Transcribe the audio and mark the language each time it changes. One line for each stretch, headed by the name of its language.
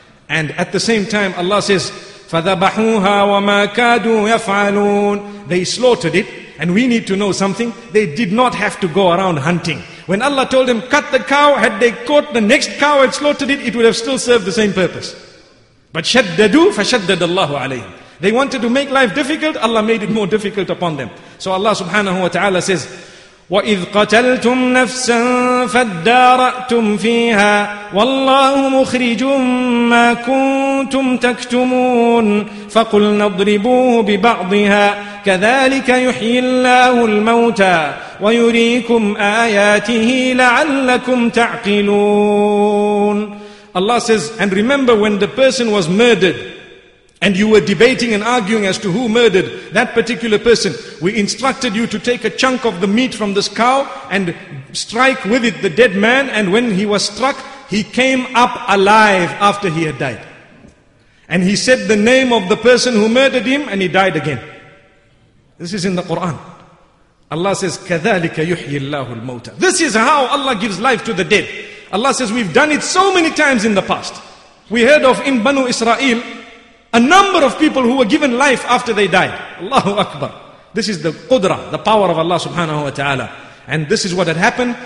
English: And at the same time, Allah says,
Arabic: فَذَبَحُوهَا وَمَا كَادُوا يَفْعَلُونَ.
English: They slaughtered it. And we need to know something. They did not have to go around hunting. When Allah told them, cut the cow, had they caught the next cow and slaughtered it, it would have still served the same purpose. But
Arabic: شَدَّدُوا فَشَدَّدَ اللَّهُ عَلَيْهِمْ.
English: They wanted to make life difficult, Allah made it more difficult upon them. So Allah subhanahu wa ta'ala says,
Arabic: وَإِذْ قَتَلْتُمْ نَفْسًا فَادَّارَأْتُمْ فِيهَا وَاللَّهُ مُخْرِجٌ مَا كُنْتُمْ تَكْتُمُونَ فَقُلْنَا اضْرِبُوهُ بِبَعْضِهَا كَذَلِكَ يُحْيِي اللَّهُ الْمَوْتَى وَيُرِيكُمْ آيَاتِهِ لَعَلَّكُمْ تَعْقِلُونَ.
English: Allah says, and remember when the person was murdered, and you were debating and arguing as to who murdered that particular person, we instructed you to take a chunk of the meat from this cow and strike with it the dead man. And when he was struck, he came up alive after he had died. And he said the name of the person who murdered him and he died again. This is in the Quran. Allah says,
Arabic: كَذَلِكَ يُحْيِي اللَّهُ الْمَوْتَى.
English: This is how Allah gives life to the dead. Allah says, we've done it so many times in the past. We heard of in Bani Israeel, a number of people who were given life after they died. Allahu Akbar. This is the qudra, the power of Allah subhanahu wa ta'ala. And this is what had happened.